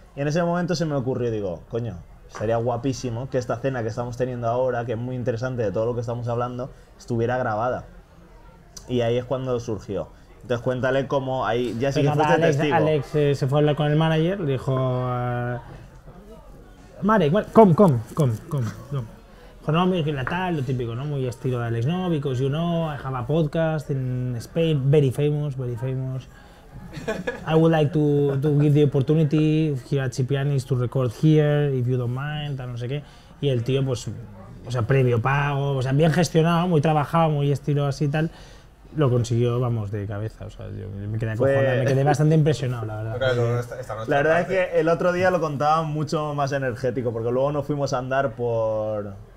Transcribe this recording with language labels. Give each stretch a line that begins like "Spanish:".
Spanish: Y en ese momento se me ocurrió, digo, coño, sería guapísimo que esta cena que estamos teniendo ahora, que es muy interesante de todo lo que estamos hablando, estuviera grabada. Y ahí es cuando surgió. Entonces cuéntale cómo ahí, ya sí, pues que fuiste Alex, testigo. Alex se fue a hablar con el manager, le dijo, Marek, come. Dijo, no, mira, la tal, lo típico, ¿no? Muy estilo de Alex, no,
English: because you know, I have a podcast in Spain, very famous. I would like to give the opportunity here at Cipianis to record here, if you don't mind,
Spanish: tal, no sé qué. Y el tío, pues, o sea, previo pago, o sea, bien gestionado, muy trabajado, muy estilo así y tal, lo consiguió, vamos, de cabeza. O sea, yo me quedé acojonado, me quedé bastante impresionado, la verdad. La verdad es que el otro día lo contaba mucho más energético, porque luego nos fuimos a andar por...